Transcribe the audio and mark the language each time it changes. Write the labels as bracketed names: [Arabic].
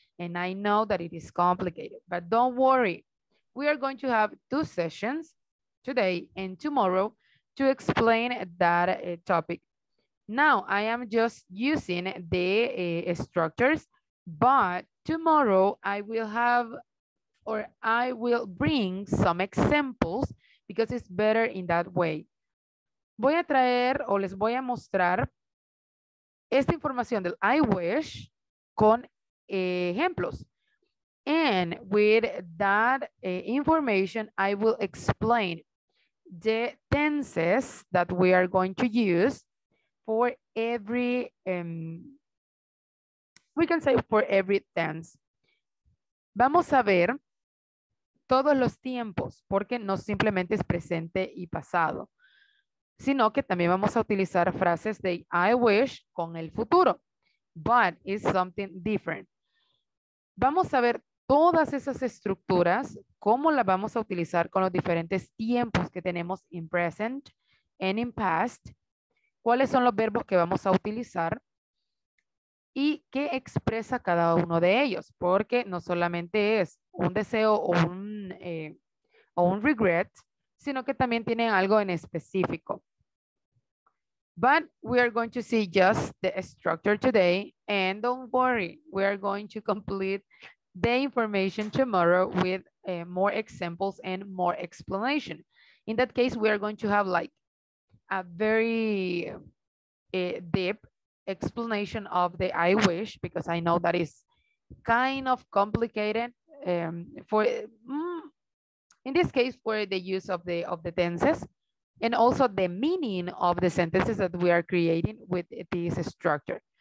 [English] And I know that it is complicated, but don't worry. We are going to have two sessions today and tomorrow to explain that topic. Now, I am just using the structures, but tomorrow I will have, or I will bring some examples because it's better in that way. [Spanish] Voy a traer o les voy a mostrar esta información del I wish con ejemplos. [English] And with that information, I will explain the tenses that we are going to use for every, we can say for every tense. [Spanish] Vamos a ver todos los tiempos, porque no simplemente es presente y pasado, sino que también vamos a utilizar frases de I wish con el futuro, [English] but it's something different. [Spanish] Vamos a ver todas esas estructuras, cómo las vamos a utilizar con los diferentes tiempos que tenemos [English] in present and in past, [Spanish] cuáles son los verbos que vamos a utilizar y qué expresa cada uno de ellos, porque no solamente es un deseo o un regret, sino que también tienen algo en específico. [English] But we are going to see just the structure today, and don't worry, we are going to complete the information tomorrow with more examples and more explanation. In that case, we are going to have like a very deep explanation of the I wish, because I know that is kind of complicated in this case, for the use of the tenses and also the meaning of the sentences that we are creating with this structure.